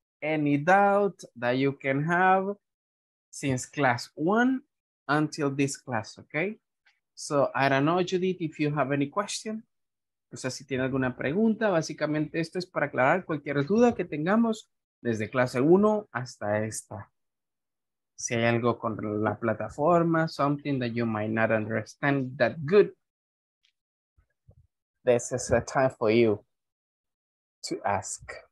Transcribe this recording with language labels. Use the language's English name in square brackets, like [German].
[English] any doubt that you can have since class one until this class, okay? So I don't know, Judith, if you have any question. [Spanish] O sea, si tiene alguna pregunta, básicamente esto es para aclarar cualquier duda que tengamos desde clase 1 hasta esta. Si hay algo con la plataforma, [English] something that you might not understand that good, this is the time for you to ask.